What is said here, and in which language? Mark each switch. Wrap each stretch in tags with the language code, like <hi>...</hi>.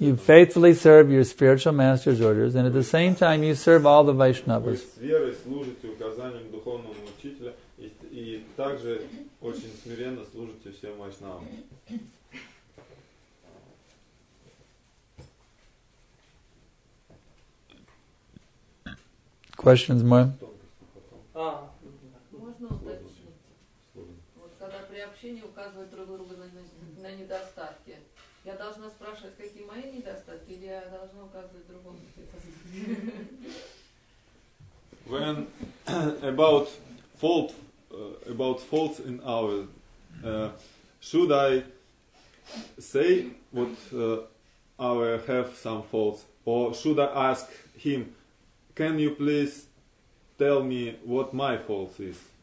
<en>You faithfully serve your spiritual master's orders, and at the same time you serve all the Vaishnavas.</en> <ru>Вы с верой служите указаниям духовного учителя, и также очень смиренно служите всем Вайшнавам.</ru> <en>Questions, ma'am?</en> <ru>Можно уточнить? Вот когда при общении указывают друг друга на недостатки. Я должна спрашивать, какие мои недостатки, или я должна указывать другому недостатки?</ru> <en>When about fault, about faults in our, should I say what our have some faults, or should I ask him, can you please tell me what my fault is?</en>